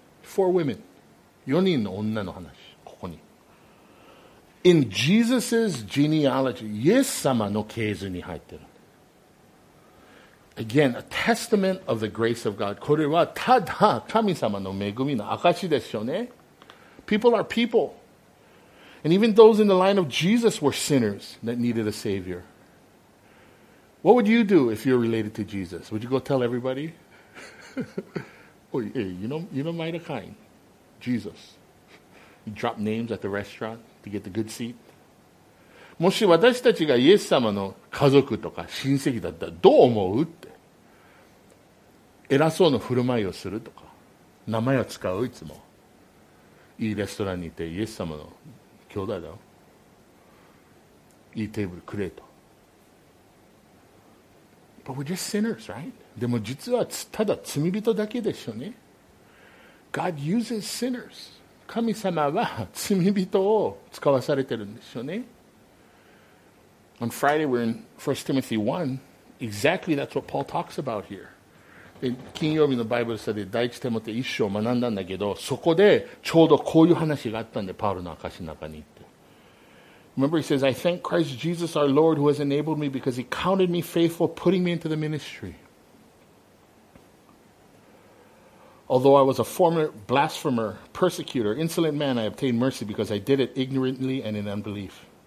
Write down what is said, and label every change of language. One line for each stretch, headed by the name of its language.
English: Four women.
Japanese: 四人の女の話、ここに。
English: In Jesus' genealogy,
Japanese: イエス様の系図に入ってる。
English: Again, a testament of the grace of God.
Japanese: これはただ神様の恵みの証ですよね。
English: People are people. And even those in the line of Jesus were sinners that needed a Savior. What would you do if you're related to Jesus? Would you go tell everybody? Oh, hey, you know my kind, Jesus. You drop names at the restaurant to get the good seat.
Japanese: もし私たちがイエス様の家族とか親戚だったらどう思うって。偉そうな振る舞いをするとか。名前を使ういつも。いいレストランにいてイエス様の兄弟だよ。いいテーブルくれと。
English: But we're just sinners, right?
Japanese: でも実はただ罪人だけでしょうね。
English: God uses sinners.
Japanese: 神様は罪人を使わされてるんでしょうね。
English: On Friday, we're in 1 Timothy 1. Exactly that's what Paul talks about here.
Japanese: で金曜日のバイブルスタディ第一テモテ一章を学んだんだけど、そこでちょうどこういう話があったんで、パウロの証の中に。
English: Remember, he says, I thank Christ Jesus our Lord who has enabled me because he counted me faithful, putting me into the ministry. Although I was a former blasphemer, persecutor, insolent man, I obtained mercy because I did it ignorantly and in unbelief.